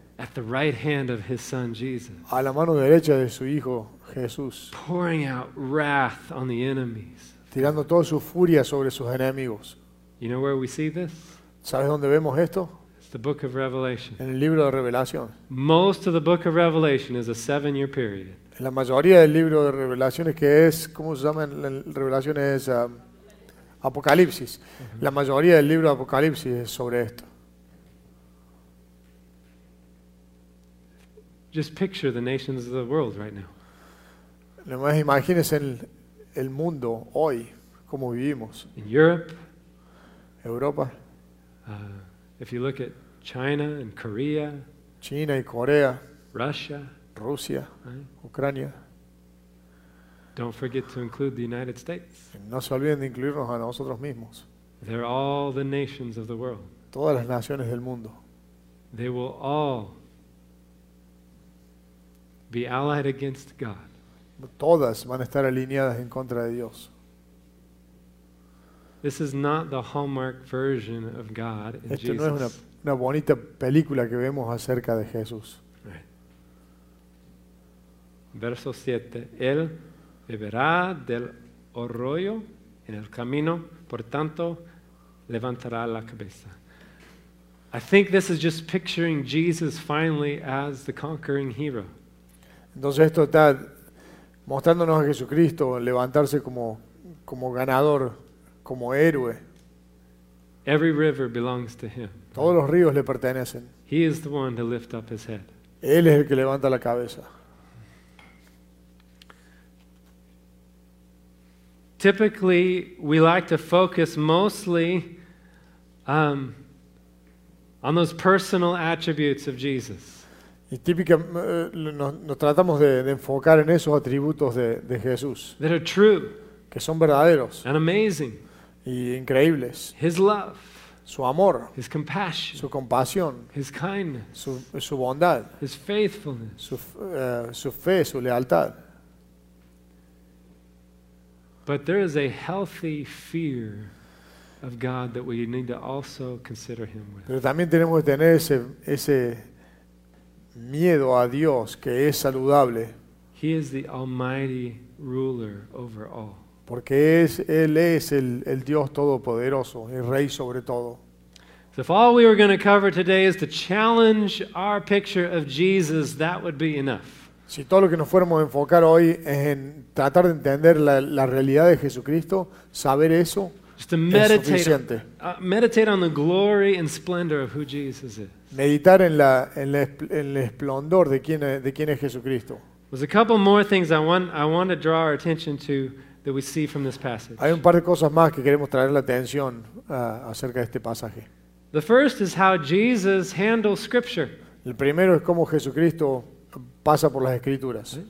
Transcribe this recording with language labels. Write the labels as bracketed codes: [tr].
[en] At the right hand of his Son Jesus. [es] A la mano derecha de su Hijo Jesús. [en] Pouring out wrath on the enemies. [es] Tirando toda su furia sobre sus enemigos. [en] You know where we see this? [es] ¿Sabes dónde vemos esto? [en] It's the book of Revelation. [es] En el libro de Revelación. [en] Most of the book of Revelation is a 7-year period. [es] La mayoría del libro de Revelaciones que es, ¿cómo se llama? Revelaciones es Apocalipsis. La mayoría del libro de Apocalipsis es sobre esto. [en] Just picture the nations of the world right now. [es] Nomás imagínese el mundo hoy, cómo vivimos. [en] In Europe. [es] Europa. [en] If you look at China and Korea. [es] China y Corea. [en] Russia. [es] Rusia. Right? Ucrania. [en] Don't forget to include the United States. [es] No se olviden de incluirnos a nosotros mismos. [en] They're all the nations of the world. [es] Todas las naciones del mundo. [en] They will all be allied against God. [es] Todas van a estar alineadas en contra de Dios. [en] This is not the Hallmark version of God in [es] Esto [en] Jesus. [es] No es una bonita película que vemos acerca de Jesús. Verso 7. Él beberá del arroyo en el camino, por tanto, levantará la cabeza. [en] I think this is just picturing Jesus finally as the conquering hero. [es] Entonces esto está mostrándonos a Jesucristo levantarse como ganador, como héroe. [en] Every river belongs to him. [es] Todos los ríos le pertenecen. [en] He is the one to lift up his head. [es] Él es el que levanta la cabeza. [en] Typically, we like to focus mostly on those personal attributes of Jesus. [es] Y típicamente nos tratamos de enfocar en esos atributos de Jesús. [en] That are true. [es] Que son verdaderos. [en] And amazing. [es] Y increíbles. [en] His love. [es] Su amor. [en] His compassion. [es] Su compasión. [en] His kindness. [es] Su bondad. [en] His faithfulness. [es] Su fe, su lealtad. [en] But there is a healthy fear of God that we need to also consider him with. [es] Pero también tenemos que tener ese miedo a Dios que es saludable. [en] He is the almighty ruler over all. [es] Porque él es el Dios todopoderoso, el rey sobre todo. [en] So if all we were going to cover today is to challenge our picture of Jesus, that would be enough. [es] Si todo lo que nos fuéramos a enfocar hoy es en tratar de entender la realidad de Jesucristo, saber eso [en] es meditate, [es] suficiente. [en] Meditate on the glory and splendor of who Jesus is. [es] Meditar en el esplendor de quién es Jesucristo. [en] There's a couple more things I want to draw our attention to that we see from this passage. [es] Hay un par de cosas más que queremos traer la atención acerca de este pasaje. [en] The first is how Jesus handles Scripture. [es] El primero es cómo Jesucristo pasa por las escrituras.